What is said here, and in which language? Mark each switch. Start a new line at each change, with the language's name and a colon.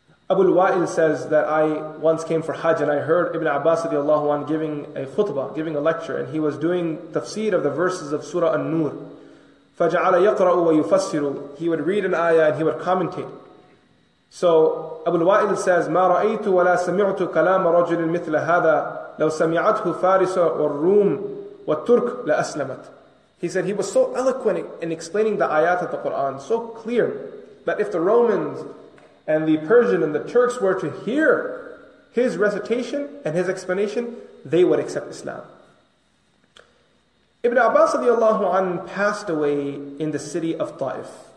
English: A Abu al-Wa'il says that I once came for Hajj and I heard Ibn Abbas radiallahu anhu giving a khutbah, giving a lecture, and he was doing tafsir of the verses of Surah An-Nur.
Arabic: فَجَعَلَ يَقْرَأُ وَيُفَسِّرُ.
English: He would read an ayah and he would commentate. So Abu al-Wa'il says,
Arabic: مَا رَأَيْتُ وَلَا سَمِعْتُ كَلَامَ رَجُلٍ مِثْلَ هَذَا لَوْ سَمِعَتْهُ فَارِسُ وَالرُّومُ وَالتُّرْكُ لَأَسْلَمَتْ.
English: He said he was so eloquent in explaining the ayat of the Quran, so clear, that if the Romans and the Persian and the Turks were to hear his recitation and his explanation, they would accept Islam. Ibn Abbas radiallahu anhu passed away in the city of Ta'if.